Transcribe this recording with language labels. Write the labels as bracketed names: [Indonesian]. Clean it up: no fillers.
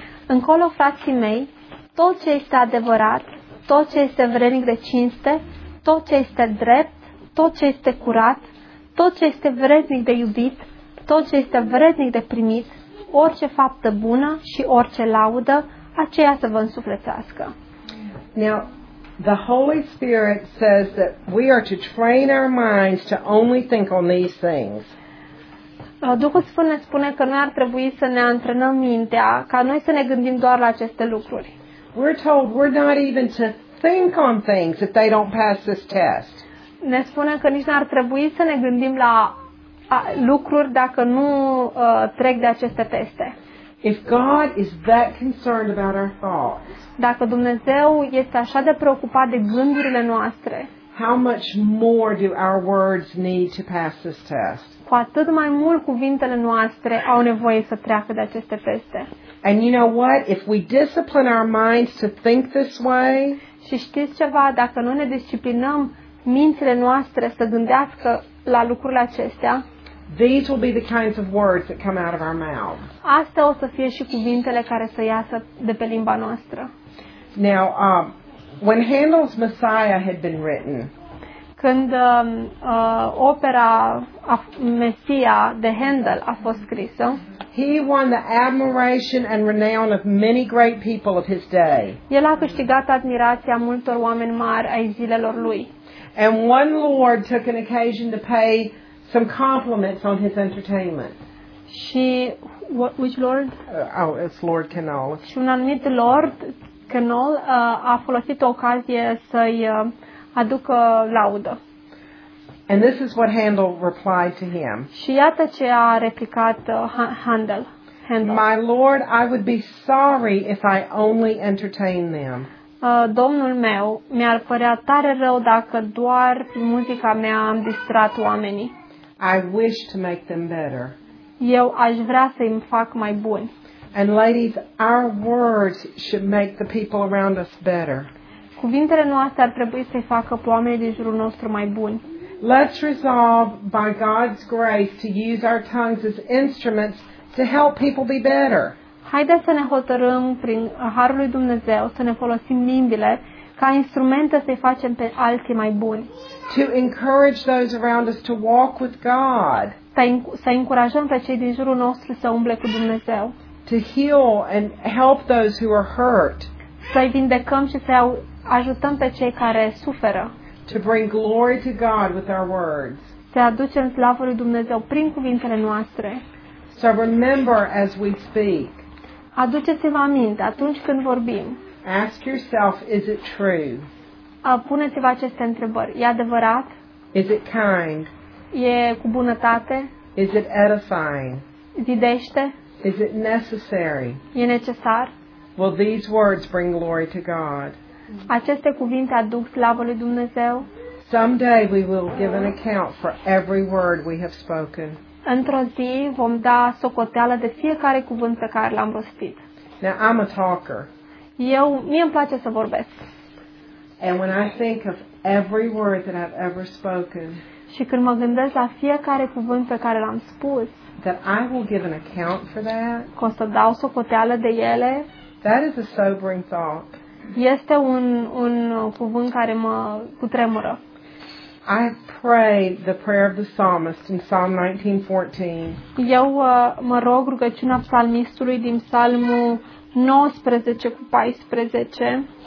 [Romanian] Încolo, frații mei, tot ce este adevărat, tot ce este vrednic de cinste, tot ce este drept, tot ce este curat, tot ce este vrednic de iubit, tot ce este vrednic de primit, orice faptă bună și orice laudă, aceea să vă însuflețească. [English] Now, the Holy Spirit says that we are to train our minds to only think on these things. [Romanian] Duhul Sfânt ne spune că noi ar trebui să ne antrenăm mintea ca noi să ne gândim doar la aceste lucruri. [English] We're told we're not even to think on things if they don't pass this test. [Romanian] Ne spune că nici n-ar trebui să ne gândim la lucruri dacă nu trec de aceste teste. [English] If God is that concerned about our thoughts, [Romanian] dacă Dumnezeu este așa de preocupat de gândurile noastre, [English] how much more do our words need to pass this test? [Romanian] Cu atât mai mult cuvintele noastre au nevoie să treacă de aceste teste. [English] And you know what? If we discipline our minds to think this way, [Romanian] și știți ceva, dacă nu ne disciplinăm mințile noastre să gândească la lucrurile acestea, [English] these will be the kinds of words that come out of our mouth. [Romanian] Astea o să fie și cuvintele care să iasă de pe limba noastră. [English] Now, when Handel's Messiah had been written, [Romanian] când opera Mesia de Handel a fost scrisă, [English] he won the admiration and renown of many great people of his day. [Romanian] El a câștigat admirația multor oameni mari ai zilelor lui. [English] And one lord took an occasion to pay some compliments on his entertainment. [Romanian] Și [English] which lord? Oh, it's Lord Canole. [Romanian] Și un anumit lord Canole a folosit o ocazie să-i aducă laudă. [English] And this is what Handel replied to him. [Romanian] Și iată ce a replicat Handel. [English] My lord, I would be sorry if I only entertain them. [Romanian] Domnul meu, mi-ar părea tare rău dacă doar prin muzica mea am distrat oamenii. [English] I wish to make them better. [Romanian] Eu aș vrea să îmi fac mai bun. [English] And ladies, our words should make the people around us better. [Romanian] Cuvintele noastre ar trebui să-i facă pe oamenii din jurul nostru mai buni. [English] Let's resolve by God's grace to use our tongues as instruments to help people be better. [Romanian] Haideți să ne hotărâm prin harul lui Dumnezeu să ne folosim limbile ca instrumente să-i facem pe alții mai buni. [English] To encourage those around us to walk with God. [Romanian] Să încurajăm pe cei din jurul nostru să umble cu Dumnezeu. [English] To heal and help those who are hurt. [Romanian] Să-i vindecăm și să ajutăm pe cei care suferă. [English] To bring glory to God with our words. [Romanian] Să aducem slavă lui Dumnezeu prin cuvintele noastre. [English] So remember as we speak. [Romanian] Aduceți-vă aminte atunci când vorbim. [English] Ask yourself, is it true? [Romanian] Puneți-vă aceste întrebări. E adevărat? [English] Is it kind? [Romanian] E cu bunătate? [English] Is it edifying? [Romanian] Zidește? [English] Is it necessary? [Romanian] E necesar? [English] Will these words bring glory to God? [Romanian] Aceste cuvinte aduc slavă lui Dumnezeu? [English] Someday we will give an account for every word we have spoken. [Romanian] Într-o zi vom da socoteală de fiecare cuvânt pe care l-am rostit. [English] Now I'm a talker. [Romanian] Eu, mie îmi place să vorbesc. [English] And when I think of every word that I've ever spoken, [Romanian] și când mă gândesc la fiecare cuvânt pe care l-am spus, [English] that I will give an account for that, [Romanian] că o să dau socoteală de ele, [English] that is a sobering thought. [Romanian] Este un cuvânt care mă cutremură. [English] I pray the prayer of the psalmist in Psalm 19:14. [Romanian] Eu mă rog rugăciunea psalmistului din Psalmul 19:14.